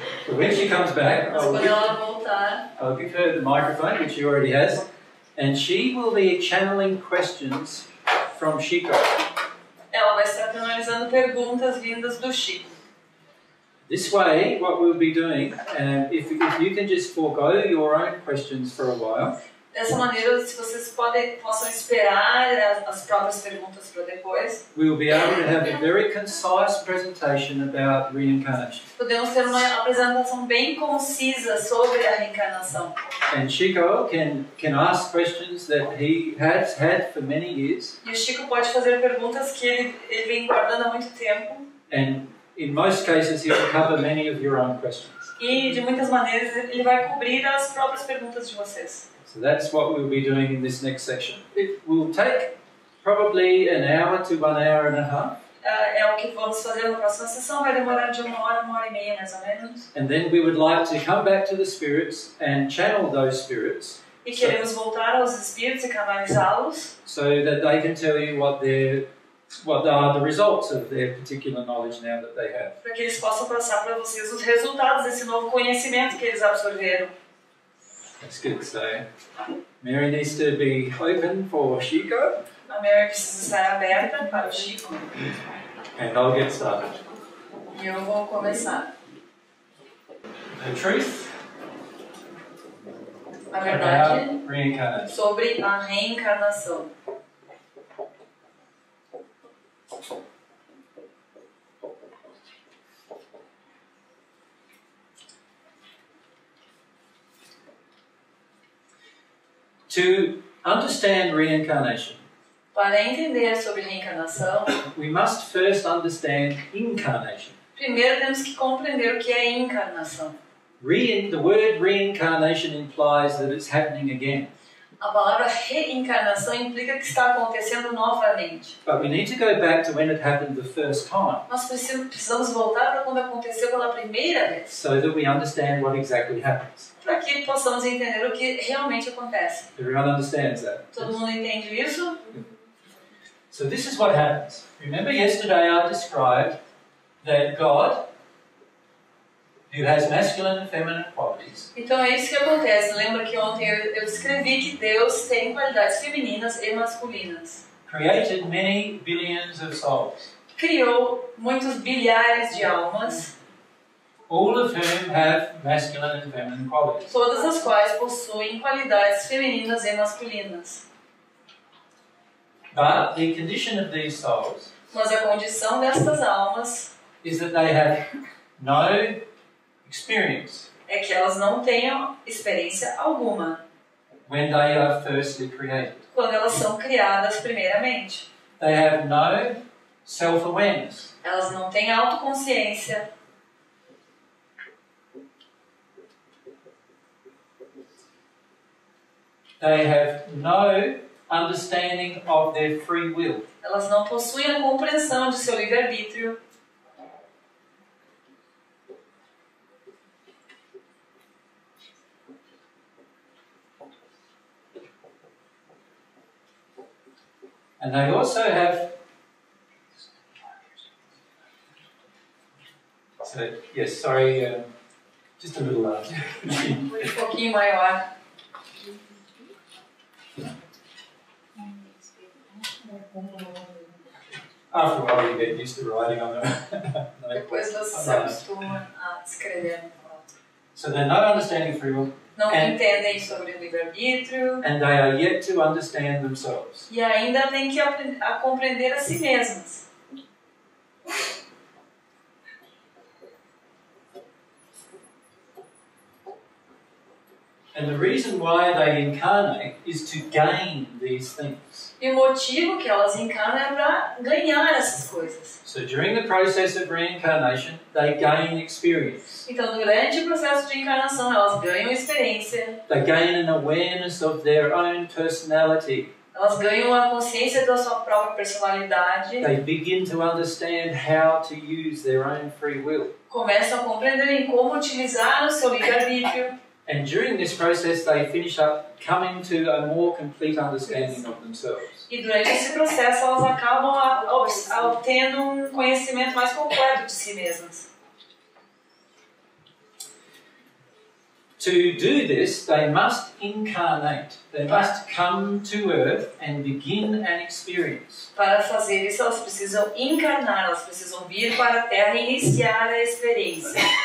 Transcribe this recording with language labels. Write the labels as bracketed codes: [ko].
[en] So when she comes back, I'll give her the microphone, which she already has, and she will be channeling questions from Chico. [pt] Ela vai estar canalizando perguntas vindas do Chico. [en] This way, what we'll be doing, if you can just forego your own questions for a while. [pt] Dessa maneira, se vocês possam esperar as próprias perguntas para depois. [en] We will be able to have a very concise presentation about reincarnation. [pt] Podemos ter uma apresentação bem concisa sobre a reencarnação. [en] And Chico can ask questions that he has had for many years. [pt] E o Chico pode fazer perguntas que ele vem guardando há muito tempo. [en] And in most cases, he will cover many of your own questions. [pt] E de muitas maneiras, ele vai cobrir as próprias perguntas de vocês. [en] So that's what we'll be doing in this next section. It will take probably an hour to 1 hour and a half. [pt] É o que vamos fazer na próxima sessão. Vai demorar de uma hora e meia, mais ou menos. [en] And then we would like to come back to the spirits and channel those spirits. [pt] E queremos voltar aos espíritos e canalizá-los. [en] So that they can tell you what are the results of their particular knowledge now that they have. [pt] Para que eles possam passar para vocês os resultados desse novo conhecimento que eles absorveram. [en] That's good. So, Mary needs to be open for Chico. [pt] A Mary precisa estar aberta para Chico. [en] And I'll get started. [pt] E eu vou começar. [en] The truth. [pt] A verdade. [en] About reincarnation. [pt] Sobre a reencarnação. [en] To understand reincarnation, [pt] para entender sobre reencarnação, [en] we must first understand incarnation. [pt] Primeiro temos que compreender o que é encarnação. [en] The word reincarnation implies that it's happening again. [pt] A palavra reencarnação implica que está acontecendo novamente. [en] But we need to go back to when it happened the first time. [pt] Nós precisamos voltar para quando aconteceu pela primeira vez. [en] So that we understand what exactly happens. [pt] Para que possamos entender o que realmente acontece. [en] Everyone understands that. [pt] Todo mundo entende isso? [en] So this is what happens. Remember yesterday I described that God, who has masculine and feminine qualities. [pt] Então é isso que acontece. Lembra que ontem eu escrevi que Deus tem qualidades femininas e masculinas. [en] Created many billions of souls. [pt] Criou muitos bilhares de almas. [en] All of whom have masculine and feminine qualities. [pt] Todas as quais possuem qualidades femininas e masculinas. [en] But the condition of these souls. [pt] Mas a condição destas almas. [en] Is that they have no experience. [pt] É que elas não tenham experiência alguma. [en] When they are firstly created. [pt] Quando elas são criadas primeiramente. [en] They have no self-awareness. [pt] Elas não têm autoconsciência. [en] They have no understanding of their free will. [pt] Elas não possuem a compreensão de seu livre-arbítrio. [en] And they also have. So, yes, sorry, just a little loud. [pt] Um pouquinho maior. [en] After a while, you get used to writing on them. [pt] Depois você se acostuma a escrever no papel. [en] So they're not understanding free will. [pt] Não entendem sobre o livre-arbítrio. [en] And they are yet to understand themselves. [pt] E ainda têm que a compreender a si mesmas. [en] And the reason why they incarnate is to gain these things. [pt] E o motivo que elas encarnam é para ganhar essas coisas. [en] So during the process of reincarnation, they gain experience. [pt] Então, durante o processo de encarnação, elas ganham experiência. [en] They gain an awareness of their own personality. [pt] Elas ganham a consciência da sua própria personalidade. [en] They begin to understand how to use their own free will. [pt] Começam a compreender em como utilizar o seu livre-arbítrio. [en] And during this process, they finish up coming to a more complete understanding of themselves. [pt] E durante esse processo, elas acabam obtendo conhecimento mais completo de si mesmas. [en] To do this, they must incarnate. They must come to Earth and begin an experience. [pt] Para fazer isso, elas precisam encarnar. Elas precisam vir para a Terra e iniciar a experiência.